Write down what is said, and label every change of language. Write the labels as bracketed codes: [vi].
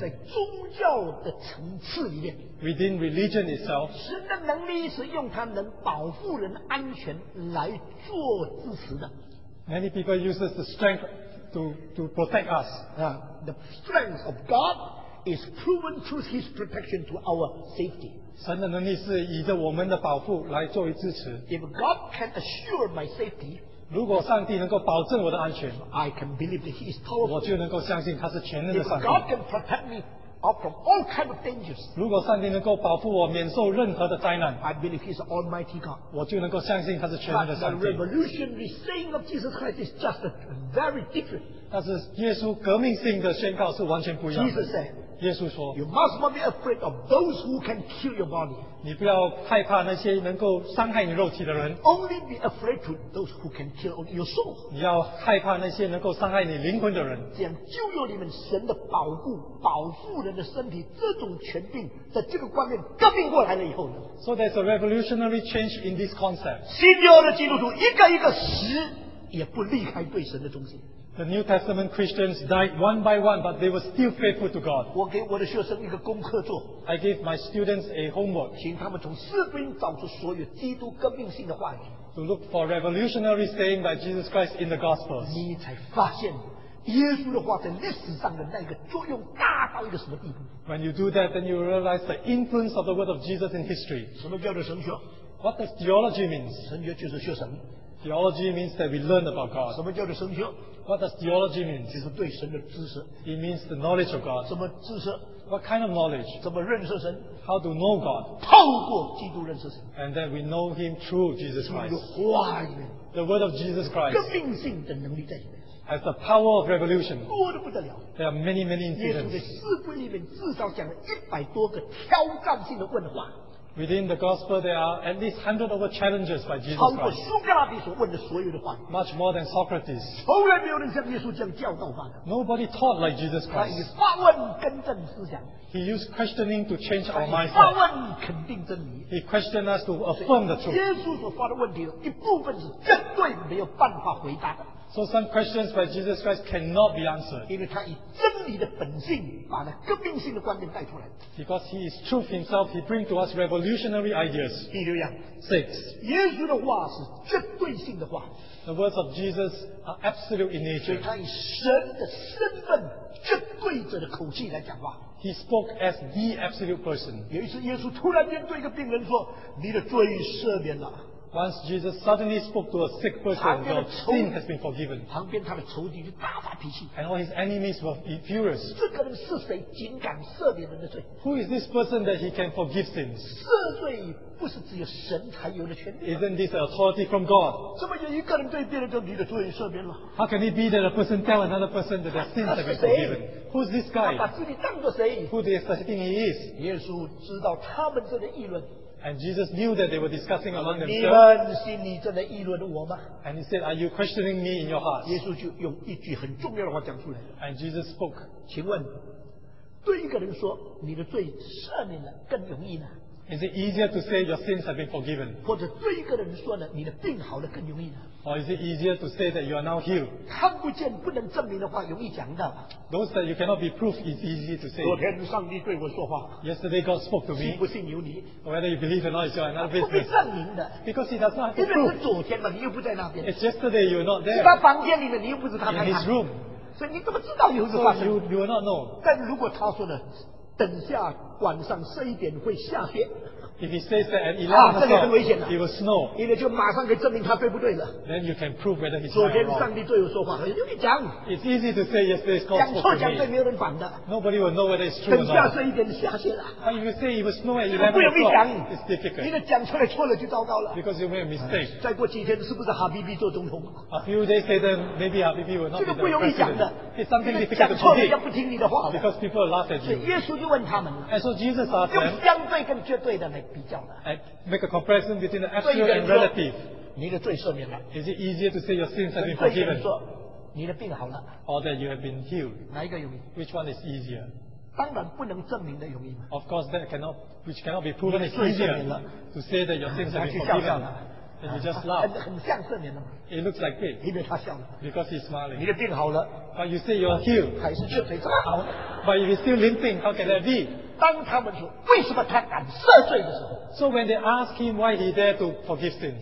[en] Within religion itself, God's Many people use the strength to protect us. The strength of God is proven through His protection to our safety. [zh] 神的能力是以着我们的保护来作为支持。 [en] If God can assure my safety, [zh] 如果上帝能够保证我的安全, [en] I can believe that He is powerful. [zh] 我就能够相信他是全能的上帝。 [en] If God can protect me from all kinds of dangers, [zh] 如果上帝能够保护我免受任何的灾难, [en] I believe He is Almighty God. [zh] 我就能够相信他是全能的上帝。 [en] The revolutionary saying of Jesus Christ is just very different. [zh] 但是耶稣革命性的宣告是完全不一样的。 [en] Jesus said, [zh] 耶稣说, [en] you must not be afraid of those who can kill your body. [zh] 你不要害怕那些能够伤害你肉体的人。 [en] Only be afraid to those who can kill your soul. [zh] 你要害怕那些能够伤害你灵魂的人。讲旧约里面神的保护，保护人的身体，这种权柄的这个观念革命过来了以后呢? [en] So there's a revolutionary change in this concept. [zh] 新约的基督徒一个一个死也不离开对神的中心。 [en] The New Testament Christians died one by one, but they were still faithful to God. [zh] 我给我的学生一个功课做。 [en] I gave my students a homework. [zh] 请他们从四边找出所有基督革命性的话语。 [en] To look for revolutionary saying by Jesus Christ in the Gospels. [zh] 你才发现耶稣的话在历史上的那个作用大到一个什么地步。 [en] When you do that, then you realize the influence of the word of Jesus in history. [zh] 什么叫做神学? [en] What does theology mean? [zh] 神学就是学神。 [en] Theology means that we learn about God. [zh] 什么叫做神学? [en] What does theology mean? [zh] 就是对神的知识。 [en] It means the knowledge of God. [zh] 什么知识? [en] What kind of knowledge? [zh] 怎么认识神? [en] How to know God? [zh] 透过基督认识神。 [en] And then we know Him through Jesus Christ. [zh] 基督话里面。 [en] The word of Jesus Christ. [zh] 革命性的能力在里面。 [en] Has the power of revolution. [zh] 多得不得了。 [en] There are many, many incidents. [zh] 耶稣的四福音里面至少讲了100多个挑战性的问话。 [en] Within the gospel, there are at least 100 over challenges by Jesus Christ. [zh] 超过苏格拉底所问的所有的话。 [en] Much more than Socrates. [zh] 从来没有人像耶稣这样教导他的。 [en] Nobody taught like Jesus Christ. [zh] 他以发问更正思想。 [en] He used questioning to change our mindset. [zh] 他以发问肯定真理。 [en] He questioned us to affirm the truth. [zh] 耶稣所发的问题一部分是绝对没有办法回答的。 [en] So some questions by Jesus Christ cannot be answered. [zh] 因为他以真理的本性把那革命性的观念带出来。 [en] Because he is truth himself, he brings to us revolutionary ideas. [zh] 第六样。 [en] Six. [zh] 耶稣的话是绝对性的话。 [en] The words of Jesus are absolute in nature. [zh] 所以他以神的身份绝对者的口气来讲话。 [en] He spoke as the absolute person. [zh] 有一次耶稣突然面对一个病人说，你的罪赦免了。 [en] Once Jesus suddenly spoke to a sick person, your sin has been forgiven. [zh] 旁边他的仇敌就大发脾气。 [en] And all his enemies were furious. [zh] 这个人是谁？竟敢赦免人的罪？ [en] Who is this person that he can forgive sins? [zh] 赦罪不是只有神才有的权利。 [en] Isn't this authority from God? [zh] 怎么有一个人对别人说你的罪赦免了？ [en] How can it be that a person tell another person that their sins have been forgiven? Who's this guy? [zh] 他把自己当作谁？ [en] Who do you think he is? [zh] 耶稣知道他们这个议论。 [en] And Jesus knew that they were discussing among themselves. And he said, are you questioning me in your heart? [zh] 耶稣就用一句很重要的话讲出来。 [en] And Jesus spoke. [zh] 请问，对一个人说，你的罪赦免了，更容易呢？ [en] Is it easier to say your sins have been forgiven? [zh] 或者对一个人说呢，你的病好了，更容易呢？ [en] Or is it easier to say that you are now healed? [zh] 看不见不能证明的话，容易讲的。 [en] Those that you cannot be proved is easy to say. [zh] 昨天上帝对我说话。 [en] Yesterday God spoke to me. [zh] 信不信由你。 [en] Whether you believe or not is your another business. [zh] 不必证明的。 [en] Because he does not have to prove. [zh] 因为是昨天嘛，你又不在那边。 [en] It's yesterday, you're not there. [zh] 是他房间里面，你又不是他太太。 [en] In his room. [zh] 所以你怎么知道有这话？ [en] So you will not know. [zh] 但如果他说呢，等下晚上深一点会下雪。 [en] If he says that at 11 o'clock, it will snow. [zh] 因为就马上可以证明他对不对了。 [en] Then you can prove whether he's right or wrong. [zh] 昨天上帝对我说话，你就可以讲。 [en] It's easy to say yesterday is God spoke to me. [zh] 讲错讲对没有人管的。 [en] Nobody will know whether it's true or not. [zh] 等下深一点下雪了。 [en] But if you say it will snow at 11 o'clock, [zh] 不容易讲。 [en] It's difficult. [zh] 因为讲出来错了就糟糕了。 [en] Because you made a mistake. [zh] 再过几天是不是哈比比做总统？ [en] A few days later, maybe Habibi will not be the president. [zh] 这个不容易讲的。 [en] It's something difficult to say. [zh] 讲错了人家不听你的话。 [en] Because people laugh at you. [zh] 所以耶稣就问他们。 [en] And so Jesus asked them. [zh] 用相对跟绝对的来。 [en] And make a comparison between the absolute and relative. [zh] 你的罪赦免了。 [en] Is it easier to say your sins have been forgiven? [zh] 你的病好了。 [en] Or that you have been healed? [zh] 哪一个容易？ [en] Which one is easier? [zh] 当然不能证明的容易嘛。 [en] Of course, that cannot, which cannot be proven is easier to say that your sins have been forgiven. And you just laugh. [zh] 很像赦免的嘛。 [en] It looks like it. [zh] 因为他笑了。 [en] Because he's smiling. [zh] 你的病好了。 [en] But you say you're healed. [zh] 还是确实这么好。 [en] But if you're still limping, how can that be? [zh] 当他们说为什么他敢赦罪的时候 [en] ，So when they ask him why he dare to forgive sins，